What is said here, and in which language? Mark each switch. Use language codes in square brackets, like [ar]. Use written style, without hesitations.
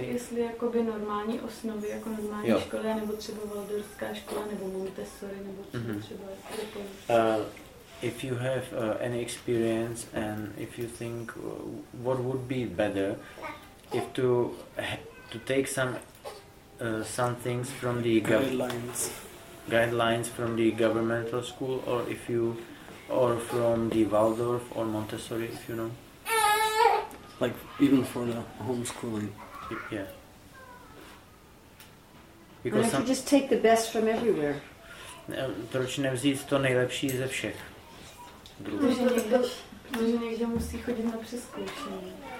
[cs] No, jestli jakoby normální osnovy, jako normální jo. Školy, nebo třeba valdorská škola, nebo Montessori, nebo třeba [en] If you have any experience and if you think what would be better if to take some things from the guidelines from the governmental school or from the Waldorf or Montessori, if you know, like even for the homeschooling. Yeah, because you just take the best from everywhere. [cs] Proč nevzít to nejlepší ze všech. Protože někdo musí chodit na přezkoušení.